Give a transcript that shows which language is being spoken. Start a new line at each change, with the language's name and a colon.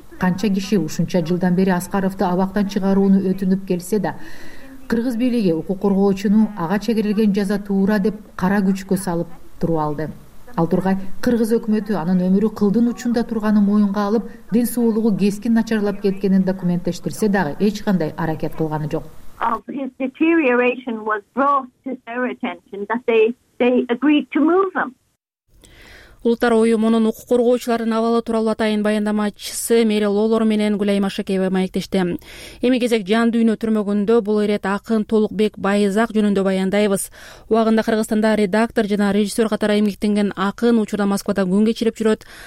Kyrgyz: Канча киши ушунча жылдан бери Аскаровду абактан чыгарууну өтүнүп келсе да, кыргыз бийлиги укук коргоочуну ага чегерилген жаза туура деп кара күчкө салып туруп алды. Ал тургай кыргыз өкмөтү анын өмүрү кылдын учунда турганын моюнга алып, ден соолугу кескин начарлап кеткенин документтештирсе дагы эч кандай аракет кылганы жок.
English: His deterioration was brought to their attention that they agreed to move him.
Kyrgyz: Улуттар уюмунун укук коргоочуларынын абалы тууралуу атайын баяндамачысы Мэри Лолор менен Гүлай Машакеева маектешти. Эми кезек жан дүйнө түрмөгүндө бул ирет акын Толукбек Байызак жөнүндө баяндайбыз. Убагында Кыргызстанда редактор жана режиссер катары эмгектенген акын учурда Москвада күн кечирип жүрөт.